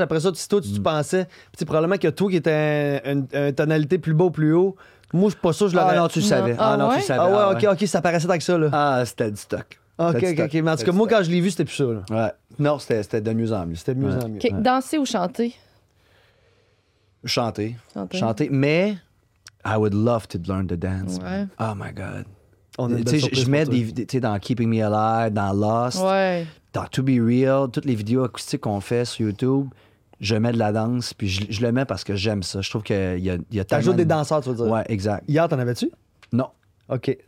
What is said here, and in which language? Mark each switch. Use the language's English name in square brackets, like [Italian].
[French] Après ça, tu pensais. Puis probablement que toi qui étais une tonalité plus beau, plus haut. Moi, je suis pas sûr. Je l'aurais... Ah non, tu le savais. Ah ouais? Ah ouais, ok, ça paraissait avec ça. Là. Ah, c'était du stock. Ok. Mais en tout cas, moi, quand je l'ai vu, c'était plus ça. Là. Ouais. Non, c'était de mieux en mieux. C'était de mieux en mieux. Okay. Danser ou chanter? Chanter. [English] Mais, I would love to learn to dance. [French] Ouais. [English] Oh my God. [French] On a une je mets des dans Keeping Me Alive, dans Lost, dans To Be Real, toutes les vidéos acoustiques qu'on fait sur YouTube, je mets de la danse, puis je le mets parce que j'aime ça. Je trouve qu'il y a t'ajoutes des danseurs, tu veux dire? Ouais, exact. Hier, t'en avais-tu? Non. OK.